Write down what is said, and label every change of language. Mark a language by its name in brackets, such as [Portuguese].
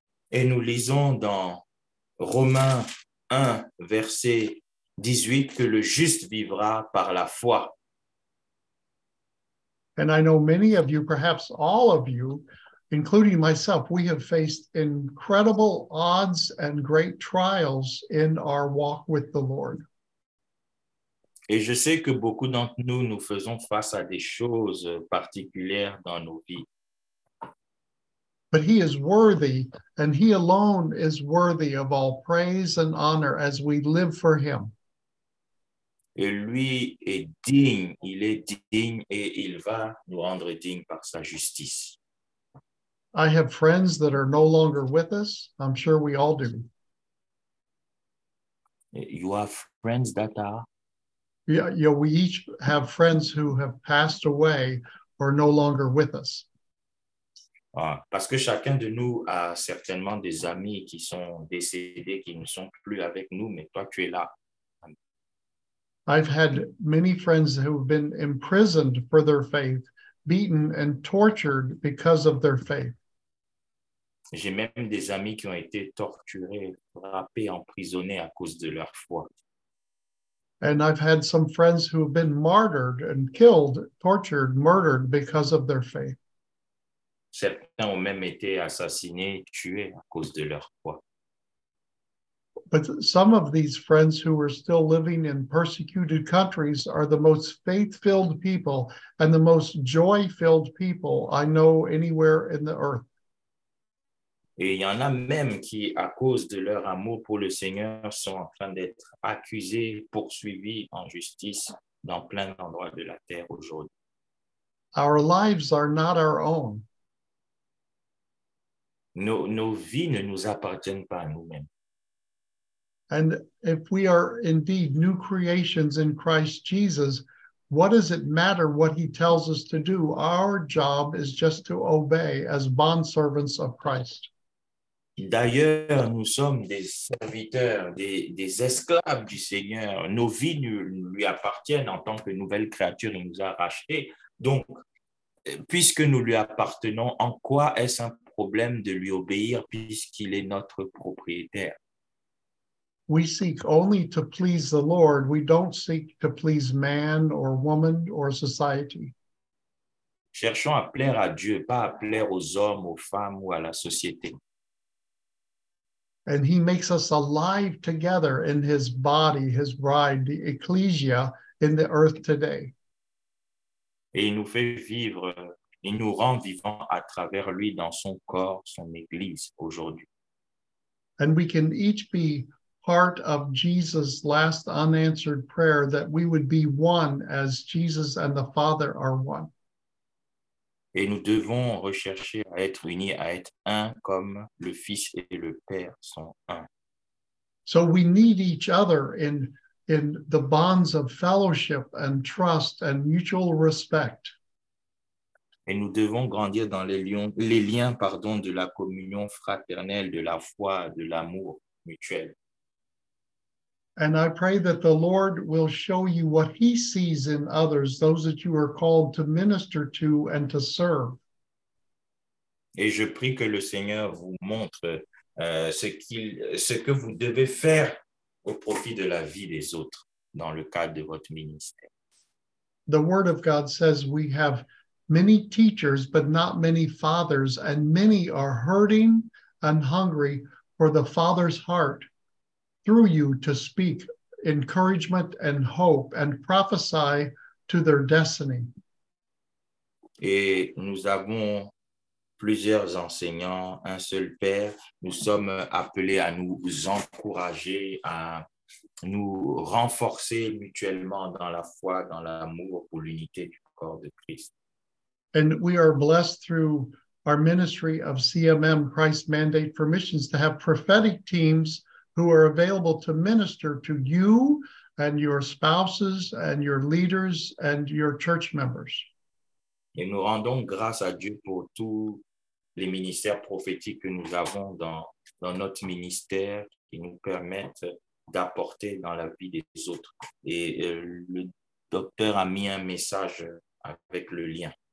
[French] Et nous lisons dans Romains 1, verset 18, que le juste vivra par la foi. [English] And I know many of you, perhaps all of you, including myself, we have faced incredible odds and great trials in our walk with the Lord. [French] Et je sais que beaucoup d'entre nous, nous faisons face à des choses particulières dans nos vies. [English] But he is worthy, and he alone is worthy of all praise and honor as we live for him. [French] Et lui est digne, et il va nous rendre dignes par sa justice. [English] I have friends that are no longer with us. I'm sure we all do. You have friends that are? Yeah, we each have friends who have passed away or no longer with us. [French] Ah, parce que chacun de nous a certainement des amis qui sont décédés, qui ne sont plus avec nous, mais toi, tu es là. [English] I've had many friends who have been imprisoned for their faith, beaten and tortured because of their faith. [French] J'ai même des amis qui ont été torturés, frappés, emprisonnés à cause de leur foi. [English] And I've had some friends who have been martyred and killed, tortured, murdered because of their faith. [French] Certains ont même été assassinés, tués à cause de leur foi. [English] But some of these friends who are still living in persecuted countries are the most faith-filled people and the most joy-filled people I know anywhere in the earth. [French] Et il y en a même qui, à cause de leur amour pour le Seigneur, sont en train d'être accusés, poursuivis en justice dans plein d'endroits de la terre aujourd'hui. [English] Our lives are not our own. [French] Nos vies ne nous appartiennent pas à nous-mêmes. [English] And if we are indeed new creations in Christ Jesus, what does it matter what he tells us to do? Our job is just to obey as bondservants of Christ. [French] D'ailleurs, nous sommes des serviteurs, des esclaves du Seigneur. Nos vies lui appartiennent en tant que nouvelle créature, il nous a rachetés. Donc, puisque nous lui appartenons, en quoi est-ce un problème de lui obéir puisqu'il est notre propriétaire? [English] We seek only to please the Lord. We don't seek to please man or woman or society. [French] Cherchons à plaire à Dieu, pas à plaire aux hommes, aux femmes ou à la société. [English] And he makes us alive together in his body, his bride, the ecclesia, in the earth today. [French] Et il nous fait vivre, il nous rend vivants à travers lui dans son corps, son église, aujourd'hui. [English] And we can each be part of Jesus' last unanswered prayer that we would be one as Jesus and the Father are one. [French] Et nous devons rechercher à être unis, à être un comme le Fils et le Père sont un. [English] So we need each other in the bonds of fellowship and trust and mutual respect. [French] Et nous devons grandir dans les liens de la communion fraternelle, de la foi, de l'amour mutuel. [English] And I pray that the Lord will show you what he sees in others, those that you are called to minister to and to serve. [French] Et je prie que le Seigneur vous montre ce que vous devez faire au profit de la vie des autres dans le cadre de votre ministère. [English] The Word of God says we have many teachers, but not many fathers, and many are hurting and hungry for the Father's heart. Through you to speak encouragement and hope and prophesy to their destiny. [French] Et nous avons plusieurs enseignants, un seul Père. Nous sommes appelés à nous encourager, à nous renforcer mutuellement dans la foi, dans l'amour pour l'unité du corps de Christ. [English] And we are blessed through our ministry of CMM, Christ Mandate for Missions, to have prophetic teams who are available to minister to you and your spouses and your leaders and your church members. [French] Et nous rendons grâce à Dieu pour tous les ministères prophétiques que nous avons dans notre ministère qui nous permettent d'apporter dans la vie des autres. Et le docteur a mis un message avec le lien.